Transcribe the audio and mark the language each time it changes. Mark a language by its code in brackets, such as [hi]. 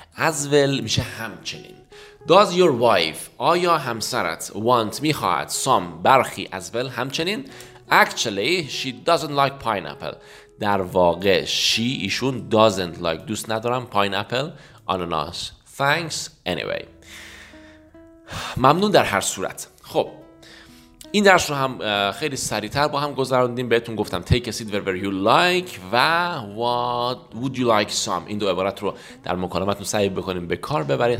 [en] As well [fa] میشه همچنین. [en] Does your wife [fa] آیا همسرت [en] want [fa] میخواهد [en] some [fa] برخی [en] as well [fa] همچنین. [en] Actually she doesn't like pineapple. [fa] در واقع [en] she [fa] ایشون [en] doesn't like [fa] دوست ندارم [en] pineapple [fa] آناناس. [en] Thanks anyway [fa] ممنون در هر صورت. خب این درس رو هم خیلی سریعتر با هم گذروندیم. بهتون گفتم [en] take a seat wherever you like [fa] و [en] what would you like some [fa] این دو عبارت رو در مکالمتون سعی بکنیم به کار ببرید.